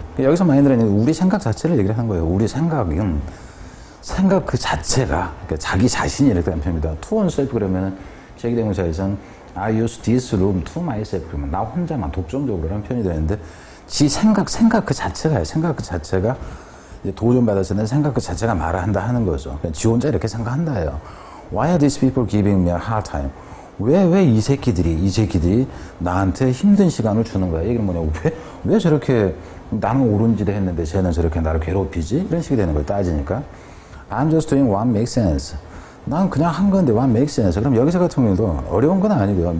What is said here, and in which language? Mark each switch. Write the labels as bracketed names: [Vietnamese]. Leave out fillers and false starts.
[Korean] 그러니까 여기서 mind는 우리 생각 자체를 얘기를 하는 거예요. 우리 생각은, 생각 그 자체가, 그러니까 자기 자신이 이렇게 된 표현입니다. [English] To oneself [Korean] 그러면 제기되는 자리에서는 [English] I use this room to myself. [Korean] 그러면 나 혼자만 독점적으로라는 표현이 되는데, 지 생각 그 자체가요. 생각 그 자체가. 도전받았을 때 생각 그 자체가 말을 한다 하는 거죠. 그냥 지 혼자 이렇게 생각한다 해요. [English] Why are these people giving me a hard time? [Korean] 왜 이 새끼들이 나한테 힘든 시간을 주는 거야? 얘기는 뭐냐고. 왜 저렇게 나는 옳은 짓을 했는데 쟤는 저렇게 나를 괴롭히지? 이런 식이 되는 거예요. 따지니까. [English] I'm just doing what makes sense. [Korean] 난 그냥 한 건데 [English] what makes sense. [Korean] 그럼 여기서 같은 경우도 어려운 건 아니고요.